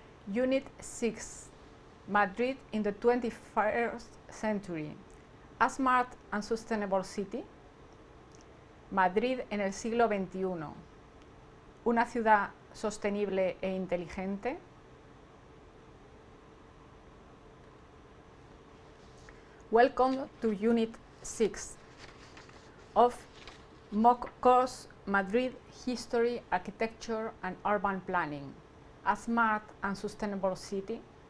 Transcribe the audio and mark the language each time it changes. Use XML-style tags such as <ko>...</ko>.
<en>Unit 6, Madrid in the 21st century, a smart and sustainable city.</en> <es>Madrid en el siglo XXI, una ciudad sostenible e inteligente.</es> <en>Welcome to Unit 6 of MOOC course Madrid History, Architecture and Urban Planning, a smart and sustainable city.</en>